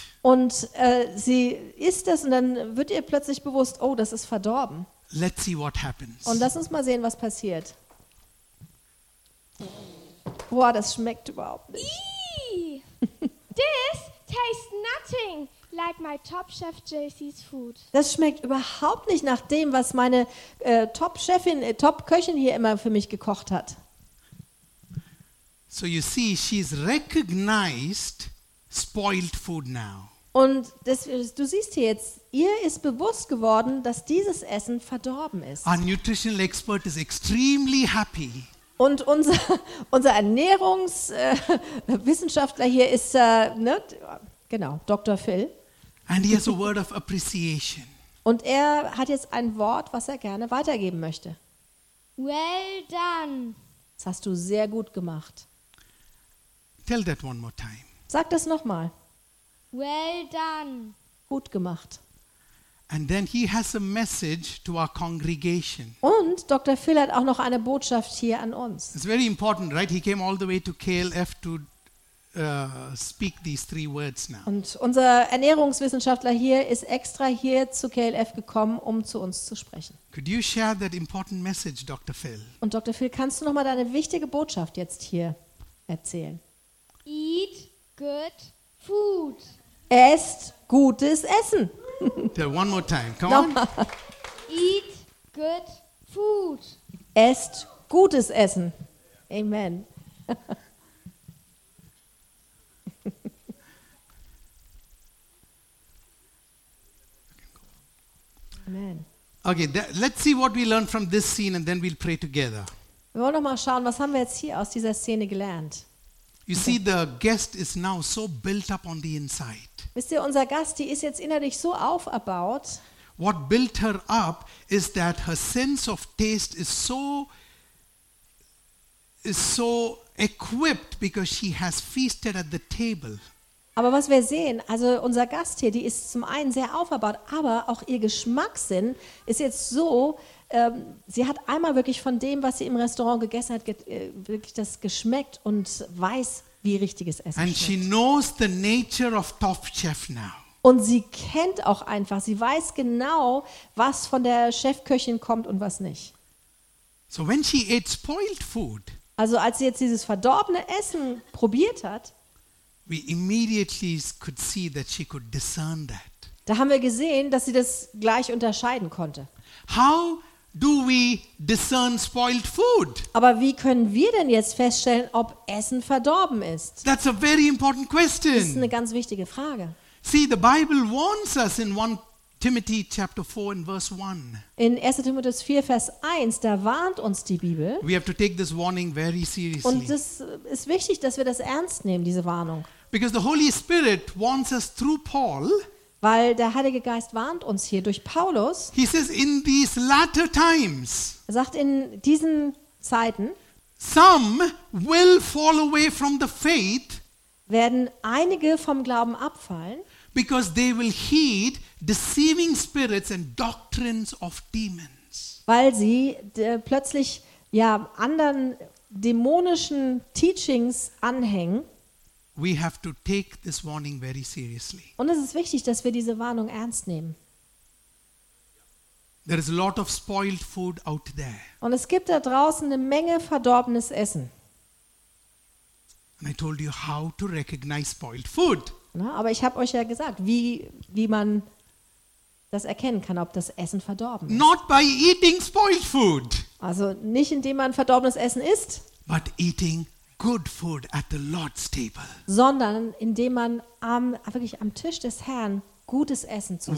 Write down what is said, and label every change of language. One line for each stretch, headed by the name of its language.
German: Und sie isst das und dann wird ihr plötzlich bewusst, oh, das ist verdorben.
English: Let's see what happens.
German: Und lass uns mal sehen, was passiert. Boah, das schmeckt überhaupt nicht.
English: This tastes nothing like my Top Chef JC's food.
German: Das schmeckt überhaupt nicht nach dem, was meine Top-Köchin hier immer für mich gekocht hat.
English: So you see, she's recognized spoiled food now.
German: Und du siehst hier jetzt, ihr ist bewusst geworden, dass dieses Essen verdorben ist.
English: Our nutritional expert is extremely happy.
German: Und unser Ernährungswissenschaftler hier ist, Dr. Phil.
English: And he has a word of appreciation.
German: Und er hat jetzt ein Wort, was er gerne weitergeben möchte.
English: Well done.
German: Das hast du sehr gut gemacht.
English: Tell that one more time.
German: Sag das nochmal.
English: Well done.
German: Gut gemacht.
English: And then he has a message to our congregation.
German: Und Dr. Phil hat auch noch eine Botschaft hier an uns.
English: It's very important, right? He came all the way to KLF to speak these three words now.
German: Und unser Ernährungswissenschaftler hier ist extra hier zu KLF gekommen, um zu uns zu sprechen.
English: Could you share that important message, Dr. Phil?
German: Und Dr. Phil, kannst du noch mal deine wichtige Botschaft jetzt hier erzählen?
English: Eat good food.
German: Esst gutes Essen.
English: One more time. Come on. Eat good food.
German: Esst gutes Essen. Amen. Amen.
English: Okay, let's see what we learn from this scene and then we'll pray together.
German: Wir wollen noch mal schauen, was haben wir jetzt hier aus dieser Szene gelernt?
English: You see, the guest is now so built up on the inside.
German: Wisst ihr, unser Gast, die ist jetzt innerlich so aufgebaut.
English: What built her up is that her sense of taste is so equipped because she has feasted at the table.
German: Aber was wir sehen, also unser Gast hier, die ist zum einen sehr aufgebaut, aber auch ihr Geschmackssinn ist jetzt so. Sie hat einmal wirklich von dem, was sie im Restaurant gegessen hat, wirklich das geschmeckt und weiß, wie richtiges Essen
English: and
German: schmeckt.
English: She knows the nature of Top Chef now.
German: Und sie kennt auch einfach, sie weiß genau, was von der Chefköchin kommt und was nicht.
English: So when she ate spoiled food,
German: also als sie jetzt dieses verdorbene Essen probiert hat,
English: we immediately could see that she could discern that.
German: Da haben wir gesehen, dass sie das gleich unterscheiden konnte.
English: How do we discern spoiled food?
German: Aber wie können wir denn jetzt feststellen, ob Essen verdorben ist?
English: That's a very important question.
German: Das ist eine ganz wichtige Frage.
English: See, the Bible warns us in 1 Timothy chapter 4 and verse 1.
German: In 1. Timotheus 4 Vers 1, da warnt uns die Bibel.
English: We have to take this warning very seriously.
German: Und es ist wichtig, dass wir das ernst nehmen, diese Warnung.
English: Because the Holy Spirit warns us through Paul.
German: Weil der Heilige Geist warnt uns hier durch Paulus.
English: He says in these latter times.
German: Er sagt in diesen Zeiten.
English: Some will fall away from the faith.
German: Werden einige vom Glauben abfallen.
English: Because they will heed deceiving spirits and doctrines of demons.
German: Weil sie plötzlich ja anderen dämonischen Teachings anhängen.
English: We have to take this warning very seriously.
German: Und es ist wichtig, dass wir diese Warnung ernst nehmen.
English: There is a lot of spoiled food out there.
German: Und es gibt da draußen eine Menge verdorbenes Essen.
English: And I told you how to recognize spoiled food.
German: Na, aber ich habe euch ja gesagt, wie man das erkennen kann, ob das Essen verdorben ist.
English: Not by eating spoiled food.
German: Also nicht indem man verdorbenes Essen isst.
English: But eating good food at the Lord's table.
German: Sondern indem man am wirklich am Tisch des Herrn gutes Essen zu sich